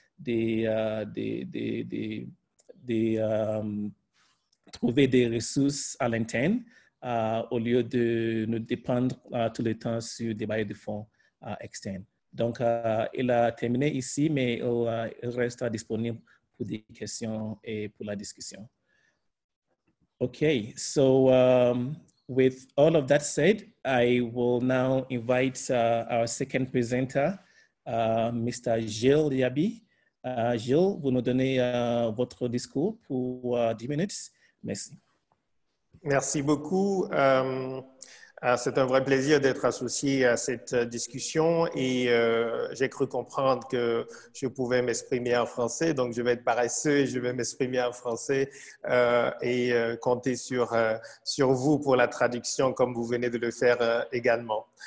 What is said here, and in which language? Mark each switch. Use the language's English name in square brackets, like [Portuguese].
[French] Trouver des ressources à l'interne au lieu de nous dépendre tout le temps sur des bailleurs de fonds externes. Donc, il a terminé ici, mais il restera disponible pour des questions et pour la discussion. [English] OK, so with all of that said, I will now invite our second presenter, Mr. Gilles Yabi. [French] Gilles, vous nous donnez votre discours pour 10 minutes. Merci. Merci beaucoup. C'est un vrai plaisir d'être associé à cette discussion et j'ai cru comprendre que je pouvais m'exprimer en français, donc je vais être paresseux et je vais m'exprimer en français et compter sur vous pour la traduction comme vous venez de le faire également.